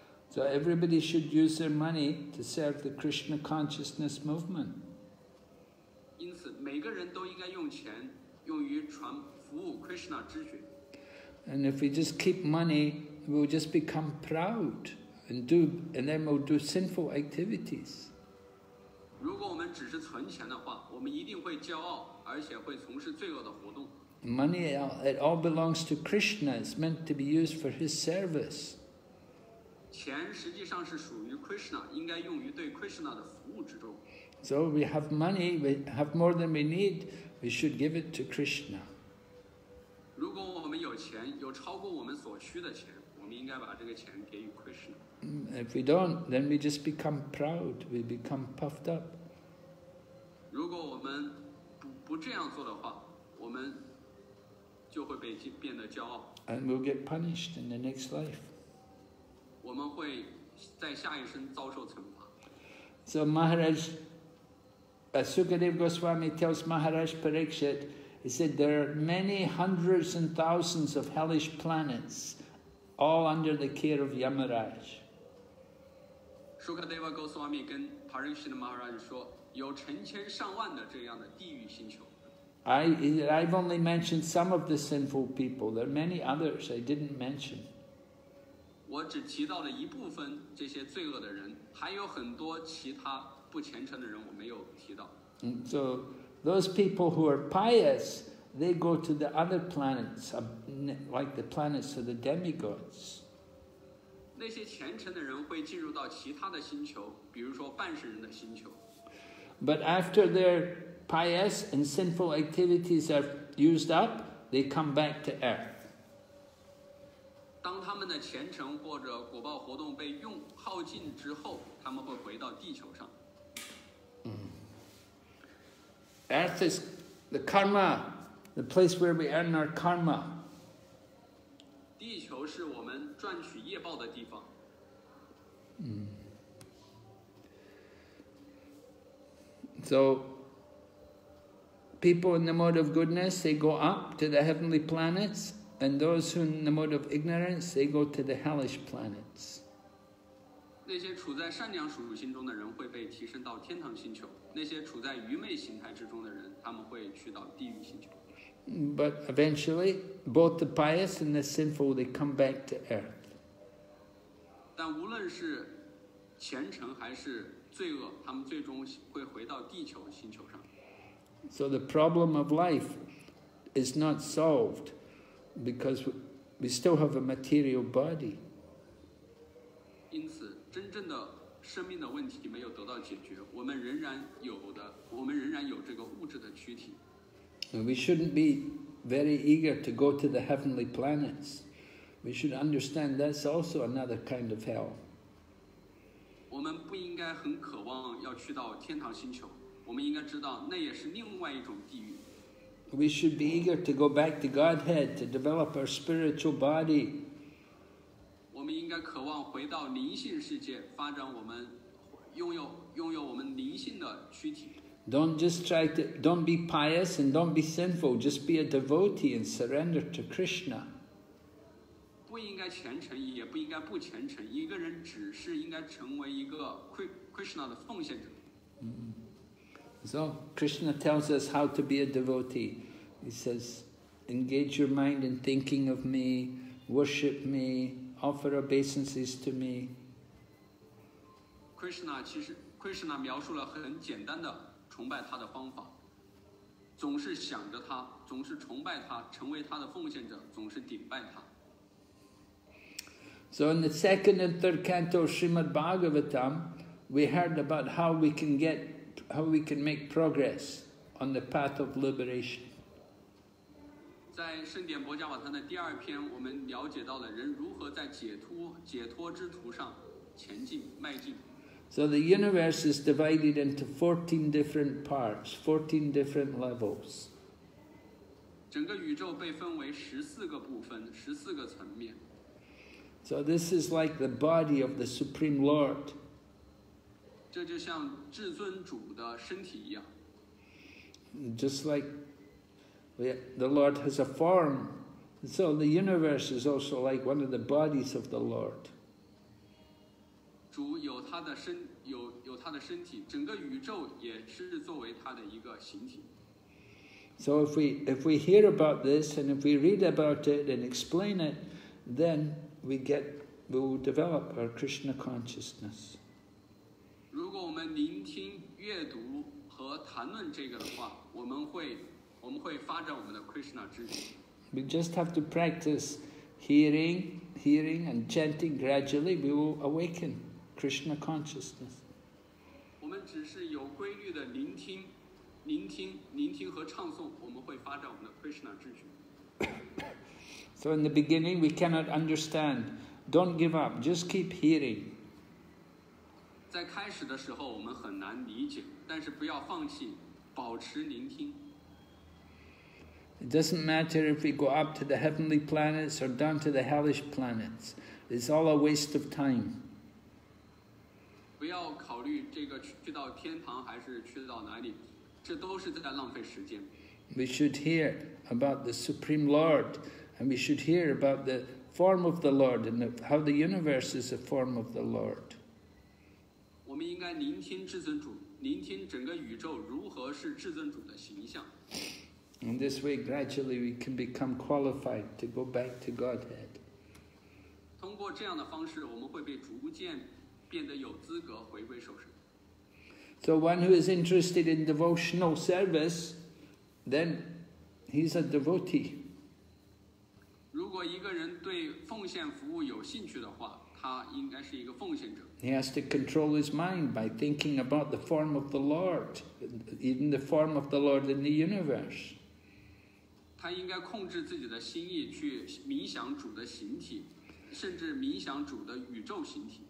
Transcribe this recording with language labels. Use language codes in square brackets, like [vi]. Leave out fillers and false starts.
[en] So everybody should use their money to serve the Krishna consciousness movement. [zh] 因此每个人都应该用钱用于传服务 Krishna 之学。 [en] And if we just keep money, we'll just become proud and then we'll do sinful activities. [zh] 如果我们只是存钱的话，我们一定会骄傲，而且会从事罪恶的活动。 [en] Money, it all belongs to Krishna. It's meant to be used for his service. [zh] 钱实际上是属于 Krishna, 应该用于对 Krishna 的服务之中。 [en] So we have money, we have more than we need, we should give it to Krishna. [zh] 如果我们有钱，有超过我们所需的钱，我们应该把这个钱给予 Krishna. [en] If we don't, then we just become proud, we become puffed up. [zh] 如果我们不这样做的话，我们就会变得骄傲。 [en] And we'll get punished in the next life. [zh] 我们会在下一生遭受惩罚。 [en] So Maharaj, Sukadeva Goswami tells Maharaj Parikshit, he said, there are many hundreds and thousands of hellish planets all under the care of Yamaraj. [zh] Sukadeva Goswami 跟 Parikshit Maharaj 说，有成千上万的这样的地狱星球。 [en] I've only mentioned some of the sinful people. There are many others I didn't mention. [zh] 我只提到了一部分这些罪恶的人，还有很多其他不虔诚的人我没有提到。 [en] So those people who are pious, they go to the other planets, like the planets of the demigods. [zh] 那些虔诚的人会进入到其他的星球，比如说半世人的星球。 [en] But after their pious and sinful activities are used up, they come back to earth. [zh] 当他们的虔诚或者果报活动被用耗尽之后，他们会回到地球上。 [en] Earth is the karma, the place where we earn our karma. [zh] 地球是我们赚取业报的地方。 [en] So, people in the mode of goodness, they go up to the heavenly planets, and those who in the mode of ignorance, they go to the hellish planets. [zh] 那些处在善良属性中的人会被提升到天堂星球，那些处在愚昧形态之中的人，他们会去到地狱星球。 [en] But eventually, both the pious and the sinful, they come back to earth. [zh] 但无论是虔诚还是罪恶，他们最终会回到地球星球上。 [en] So the problem of life is not solved because we still have a material body. [zh] 因此，真正的生命的问题没有得到解决，我们仍然有这个物质的躯体。 [en] And we shouldn't be very eager to go to the heavenly planets. We should understand that's also another kind of hell. [zh] 我们不应该很渴望要去到天堂星球。我们应该知道，那也是另外一种地狱。 [en] We should be eager to go back to Godhead to develop our spiritual body. [zh] 我们应该渴望回到灵性世界，发展我们拥有我们灵性的躯体。 [en] Don't be pious and don't be sinful. Just be a devotee and surrender to Krishna. [zh] 不应该虔诚，也不应该不虔诚。一个人只是应该成为一个 Krishna 的奉献者。 [en] So Krishna tells us how to be a devotee. He says, engage your mind in thinking of me, worship me, offer obeisances to me. [zh] Krishna 描述了很简单的崇拜他的方法。总是想着他，总是崇拜他，成为他的奉献者，总是顶拜他。 [en] So in the second and third canto of Srimad Bhagavatam, we heard about how we can make progress on the path of liberation. [zh] 在圣典薄伽瓦坛的第二篇，我们了解到了人如何在解脱之途上前进迈进。 [en] So the universe is divided into 14 different parts, 14 different levels. [zh] 整个宇宙被分为14个部分，14个层面。 [en] So this is like the body of the Supreme Lord. [zh] 这就像至尊主的身体一样。 [en] Just like the Lord has a form, so the universe is also like one of the bodies of the Lord. [zh] 主有他的身，有他的身体，整个宇宙也是作为他的一个形体。 [en] So if we hear about this and if we read about it and explain it, then we will develop our Krishna consciousness. [zh] 如果我们聆听、阅读和谈论这个的话，我们会发展我们的 Krishna 知识。 [en] We just have to practice hearing and chanting gradually. We will awaken Krishna consciousness. [zh] 我们只是有规律的聆听和唱诵，我们会发展我们的 Krishna 知识。 [en] So in the beginning, we cannot understand. Don't give up. Just keep hearing. [zh] 在开始的时候，我们很难理解，但是不要放弃，保持聆听。 [en] It doesn't matter if we go up to the heavenly planets or down to the hellish planets. It's all a waste of time. [zh] 不要考虑这个去到天堂还是去到哪里，这都是在浪费时间。 [en] We should hear about the Supreme Lord, and we should hear about the form of the Lord and how the universe is a form of the Lord. [zh] 我们应该聆听至尊主，聆听整个宇宙如何是至尊主的形象。 [en] In this way, gradually, we can become qualified to go back to Godhead. [zh] 通过这样的方式，我们会被逐渐变得有资格回归受持。 [en] So one who is interested in devotional service, then he's a devotee. [zh] 如果一个人对奉献服务有兴趣的话，他应该是一个奉献者。 [en] He has to control his mind by thinking about the form of the Lord, even the form of the Lord in the universe. [zh] 他应该控制自己的心意，去冥想主的形体，甚至冥想主的宇宙形体。